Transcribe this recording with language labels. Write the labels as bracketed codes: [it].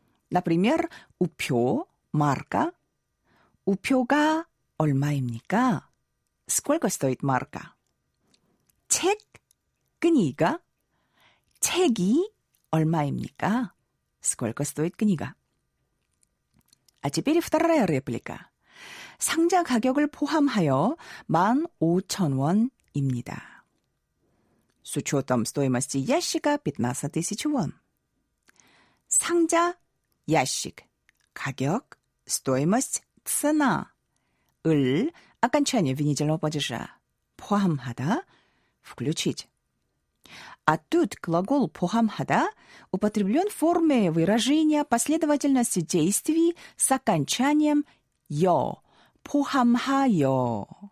[ru] Например, «упё» – марка, «упёга» – ольма имника – сколько стоит марка? Чек – книга. Чеги – ольма имника. Сколько стоит книга? А теперь вторая реплика. [ko] 상자 가격을 포함하여 15,000원 입니다. [ru] С учетом стоимости ящика 15,000원. 상자 – ящик. 가격 – стоимость, цена. 을 – окончание винительного падежа. Пуамхада – включить. А тут глагол пуамхада употреблен в форме выражения последовательности действий с окончанием «йо» – пуамхайо.